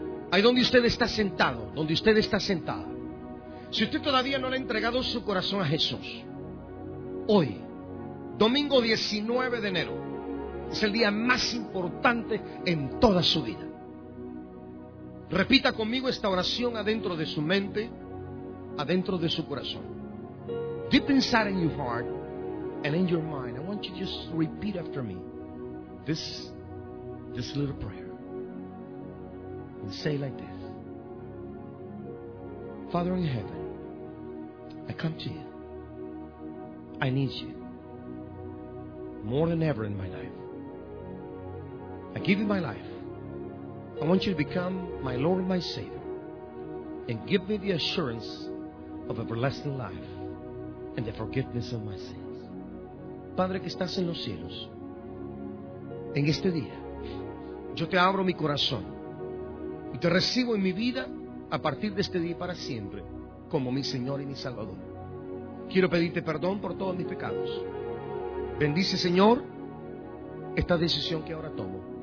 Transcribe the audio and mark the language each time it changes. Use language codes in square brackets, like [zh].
[es] Ahí donde usted está sentado, donde usted está sentada, si usted todavía no le ha entregado su corazón a Jesús, hoy, domingo 19 de enero, es el día más importante en toda su vida. Repita conmigo esta oración adentro de su mente, adentro de su corazón. [en] Deep inside in your heart and in your mind, I want you to just repeat after me this little prayer. And say like this. Father in heaven, I come to you. I need you more than ever in my life. I give you my life. I want you to become my Lord, my Savior, and give me the assurance of everlasting life and the forgiveness of my sins. [es] Padre que estás en los cielos, en este día, yo te abro mi corazón y te recibo en mi vida a partir de este día y para siempre como mi Señor y mi Salvador. Quiero pedirte perdón por todos mis pecados. Bendice, Señor, esta decisión que ahora tomo.